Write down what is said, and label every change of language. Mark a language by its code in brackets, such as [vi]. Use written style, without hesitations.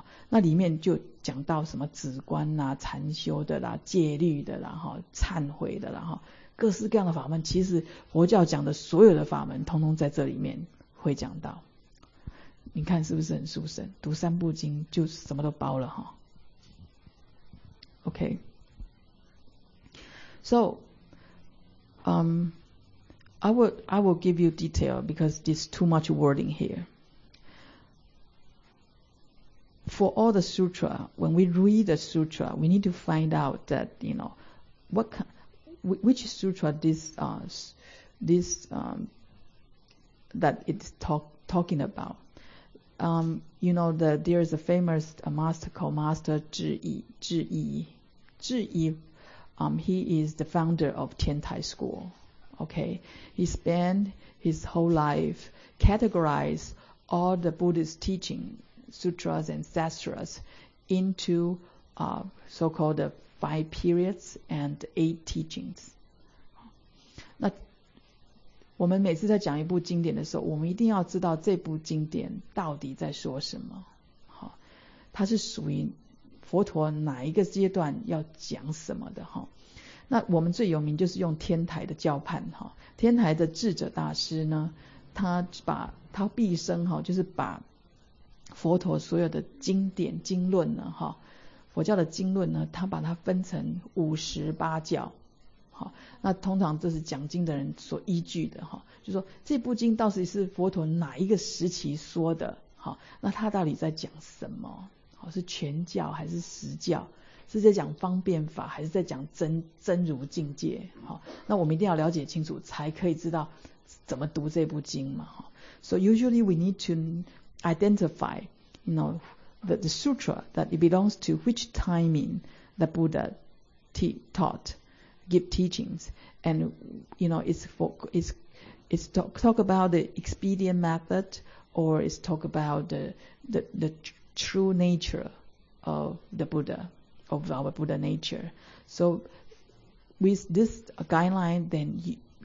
[zh] 那里面就讲到什么止观啦、禅修的啦、戒律的啦、忏悔的啦，各式各样的法门，其实佛教讲的所有的法门通通在这里面会讲到。你看是不是很殊胜，读三部经就什么都包了。 [en] OK, so I will give you detail because there's too much wording here. For all the sutra, when we read the sutra, we need to find out that, you know, which sutra that it's talking about. You know, there is a famous master called Master Zhiyi. He is the founder of Tiantai School. Okay, he spent his whole life categorize all the Buddhist teaching sutras and sastras into so-called the five periods and eight teachings. [zh] 那我们每次在讲一部经典的时候，我们一定要知道这部经典到底在说什么。好，它是属于佛陀哪一个阶段要讲什么的。那我们最有名就是用天台的教判，天台的智者大师呢，他毕生就是把佛陀所有的经典经论呢，佛教的经论呢，他把它分成58教。那通常这是讲经的人所依据的，就是说这部经到底是佛陀哪一个时期说的，那他到底在讲什么，是全教还是实教，是在讲方便法还是在讲 真如境界。那我们一定要了解清楚才可以知道怎么读这部经嘛。 [en] So usually we need to identify, you know, the sutra that it belongs to, which timing the Buddha taught, give teachings, and you know, it's talk about the expedient method, or it's talk about the true nature of the Buddha, of our Buddha nature. So with this guideline, then